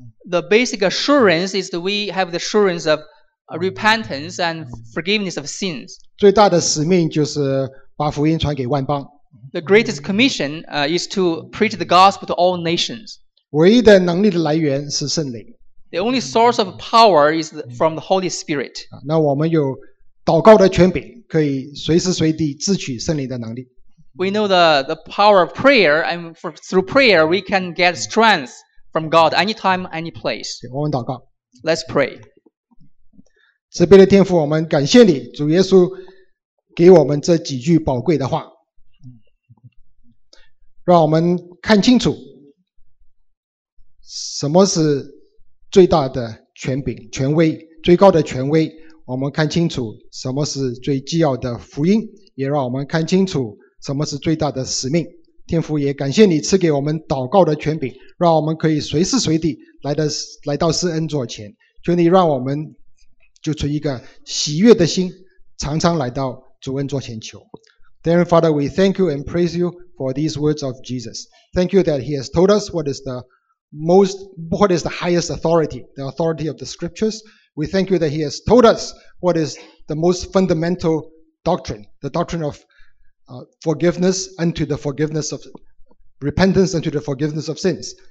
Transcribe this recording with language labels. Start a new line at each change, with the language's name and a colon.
English: The basic assurance is that we have the assurance of repentance and forgiveness of sins.
Chinese: 最大的使命就是把福音传给万邦。
English: The greatest commission is to preach the gospel to all nations.
Chinese: 唯一的能力的来源是圣灵。
English: The only source of power is from the Holy Spirit.
Chinese: 那我们有祷告的权柄，可以随时随地支取圣灵的能力。
English: We know the power of prayer, and through prayer we can get strength from God anytime, any place.
Chinese: 我们祷告。
English: Let's pray.
Chinese: 慈悲的天父，我们感谢你，主耶稣给我们这几句宝贵的话，让我们看清楚什么是最大的权柄、权威，最高的权威。我们看清楚什么是最基要的福音，也让我们看清楚什么是最大的使命。天父，也感谢你赐给我们祷告的权柄，让我们可以随时随地来到施恩座前。求你让我们就存一个喜悦的心，常常来到主恩座前求。
English: Dear Father, we thank you and praise you for these words of Jesus. Thank you that he has told us what is the highest authority, the authority of the scriptures. We thank you that he has told us what is the most fundamental doctrine, the doctrine of forgiveness unto the forgiveness of repentance unto the forgiveness of sins.